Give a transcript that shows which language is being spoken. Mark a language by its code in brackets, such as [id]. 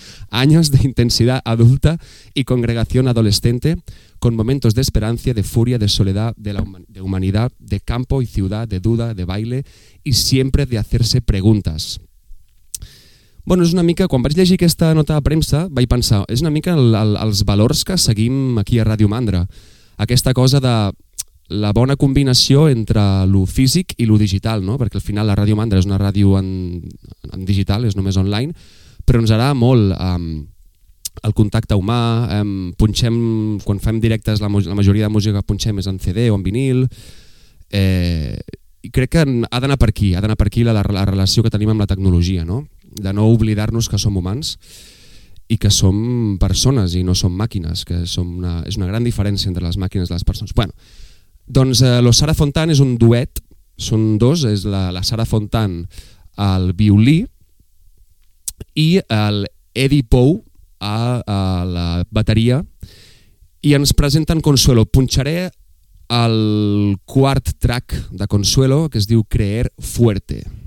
[es] Años de intensidad adulta y congregación adolescente, con momentos de esperanza, de furia, de soledad, de humanidad, de campo y ciudad, de duda, de baile y siempre de hacerse preguntas". [ca] Bueno, és una mica, quan vaig llegir aquesta nota de premsa, vaig pensar, és una mica els valors que seguim aquí a Ràdio Mandra. Aquesta cosa de la bona combinació entre lo físic i lo digital, no? Perquè al final la Ràdio Mandra és una ràdio en digital, és només online, però ens agrada molt el contacte humà. Punxem, quan fem directes, la majoria de música que punxem és en CD o en vinil. I crec que ha d'anar per aquí la relació que tenim amb la tecnologia, no? De no oblidar-nos que som humans i que som persones i no som màquines, que és una gran diferència entre les màquines i les persones. Bueno, doncs Los Sara Fontan és un duet, són dos, és la Sara Fontan al violí i el Eddie Pou a la bateria, i ens presenten Consuelo. Punxaré el quart track de Consuelo, que es diu Creer Fuerte.